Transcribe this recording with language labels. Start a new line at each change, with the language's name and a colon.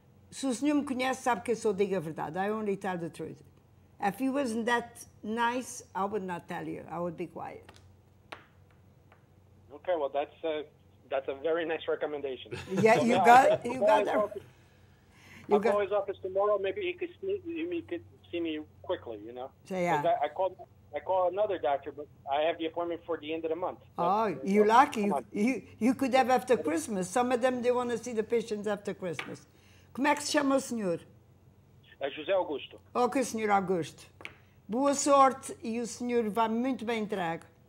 Portuguese: Se o senhor me conhece, sabe que eu só digo a verdade.
English: I only tell the truth. If he wasn't that nice, I would not tell you. I would be quiet. Okay, well, that's a very nice recommendation. Yeah, so you got I'll call his office tomorrow. Maybe he could see me quickly, you know? So, yeah. I call another doctor, but I have the appointment for the end of the month. So, oh, you're lucky. You could have after Christmas. Some of them, they want to see the patients after Christmas.
Portuguese: Como é que se chama o senhor? É José Augusto. Ok, senhor Augusto. Boa sorte e o senhor vai muito bem entregue.